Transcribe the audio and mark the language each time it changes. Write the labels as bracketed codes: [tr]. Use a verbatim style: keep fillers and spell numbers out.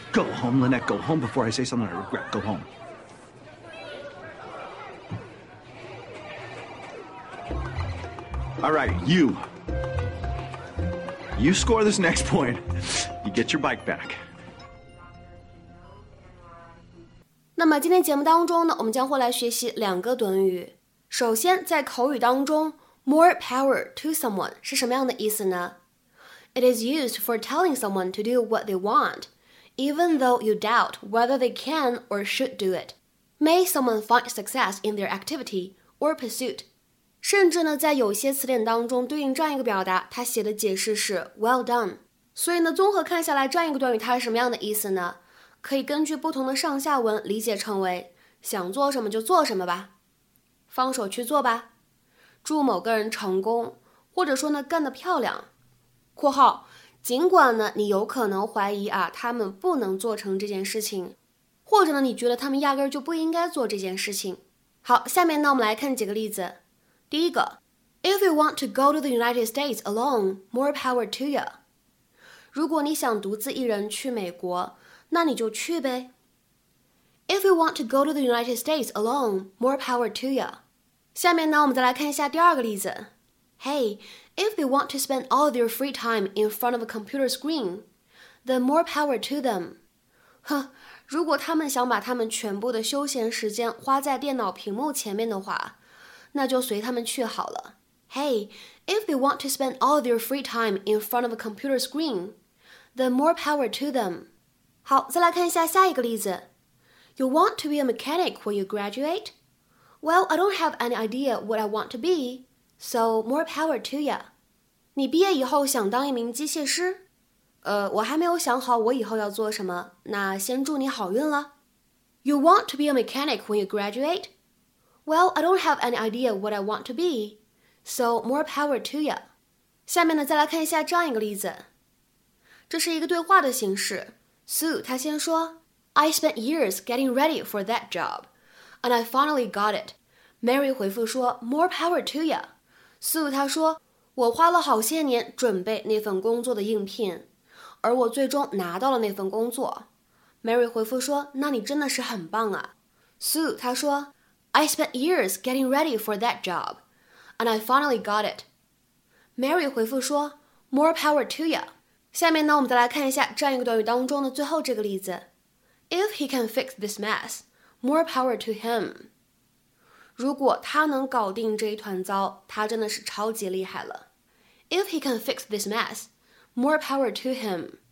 [en] Go home, Lynette. Go home before I say something I regret. Go home. All right, you. You score this next point, you get your bike back. [zh] 那么今天节目当中呢，我们将会来学习两个短语。首先，在口语当中 more power to someone 是什么样的意思呢？ [en] It is used for telling someone to do what they want, even though you doubt whether they can or should do it. May someone find success in their activity or pursuit. [zh] 甚至呢，在有些词典当中，对应这样一个表达，它写的解释是 [en] well done。 [zh] 所以呢，综合看下来，这样一个短语它是什么样的意思呢？可以根据不同的上下文理解成为想做什么就做什么吧，放手去做吧，祝某个人成功，或者说呢干得漂亮。括号尽管呢你有可能怀疑啊他们不能做成这件事情，或者呢你觉得他们压根儿就不应该做这件事情。好，下面呢我们来看几个例子。第一个 [en] If you want to go to the United States alone, more power to you. [zh] 如果你想独自一人去美国，那你就去呗。 [en] If you want to go to the United States alone, more power to you. [zh] 下面呢，我们再来看一下第二个例子。 [en] Hey, if they want to spend all their free time in front of a computer screen, then more power to them. [zh] 哼，如果他们想把他们全部的休闲时间花在电脑屏幕前面的话，那就随他们去好了。 [en] Hey, if they want to spend all their free time in front of a computer screen, then more power to them. [zh] 好，再来看一下下一个例子。 [en] You want to be a mechanic when you graduate? Well, I don't have any idea what I want to be, so more power to you. [zh] 你毕业以后想当一名机械师？呃，我还没有想好我以后要做什么，那先祝你好运了。 [en] You want to be a mechanic when you graduate? Well, I don't have any idea what I want to be, so more power to you. [zh] 下面呢，再来看一下这样一个例子。这是一个对话的形式。 [en] Sue [zh] 她先说 [en] I spent years getting ready for that job, and I finally got it. Mary [zh] 回复说 [en] more power to you. [zh] Sue 她说我花了好些年准备那份工作的应聘，而我最终拿到了那份工作。 Mary 回复说那你真的是很棒啊。 [en] Sue [zh] 她说 [en] I spent years getting ready for that job, and I finally got it. Mary [zh] 回复说 [en] more power to you. [zh] 下面呢，我们再来看一下这样一个短语当中的最后这个例子。 [en] If he can fix this mess, more power to him. [zh] 如果他能搞定这一团糟，他真的是超级厉害了。 [en] If he can fix this mess, more power to him.